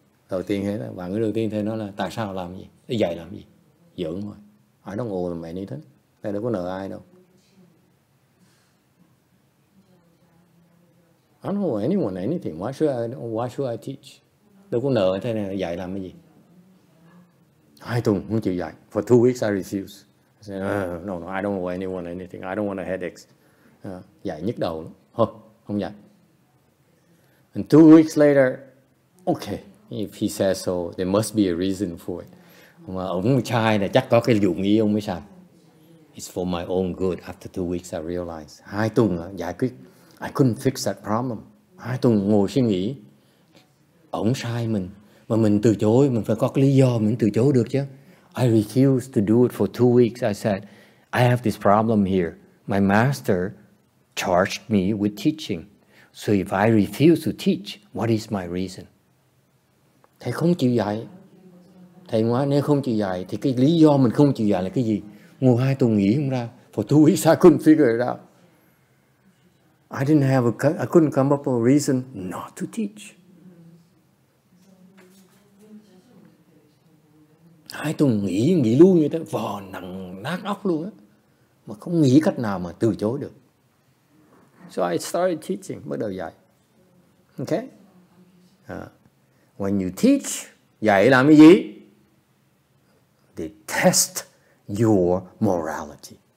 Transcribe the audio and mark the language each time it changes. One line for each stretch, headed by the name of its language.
Vietnamese: Đầu tiên thế, bạn cái đầu tiên thế nó là tại sao làm gì, đi dạy làm gì, giỡn thôi.
English: I don't owe them anything.
Vietnamese: Tại đâu có nợ ai đâu.
English: I don't owe anyone anything. Why should I teach?
Vietnamese: Đâu có nợ thế này, dạy làm cái gì? 2 tuần không chịu dạy.
English: For 2 weeks, I refused. I said, no, I don't owe anyone anything. I don't want a headache.
Vietnamese: Dạy nhức đầu lắm.
English: Huh,
Vietnamese: không dạy.
English: And 2 weeks later, okay, if he says so, there must be a reason for it.
Vietnamese: Mà ông trai này chắc có cái dụ ý ông mới sao.
English: It's for my own good. After 2 weeks, I realized.
Vietnamese: 2 tuần giải quyết.
English: I couldn't fix that problem.
Vietnamese: 2 tuần ngồi suy nghĩ. Ông sai mình. Mà mình từ chối. Mình phải có cái lý do mình từ chối được chứ.
English: I refused to do it for 2 weeks. I said, "I have this problem here. My master charged me with teaching. So if I refuse to teach, what is my reason?"
Vietnamese: Thầy không chịu dạy. Thầy nói nếu không chịu dạy thì cái lý do mình không chịu dạy là cái gì? Ngồi 2 tuần nghỉ không ra.
English: For 2 weeks I couldn't figure it out. I couldn't come up with a reason not to teach.
Vietnamese: 2 tuần nghỉ luôn như thế, vò nặng nát óc luôn á. Mà không nghĩ cách nào mà từ chối được.
English: So I started teaching,
Vietnamese: bắt đầu dạy. Okay?
English: When you teach,
Vietnamese: dạy làm cái gì?
English: They test your morality.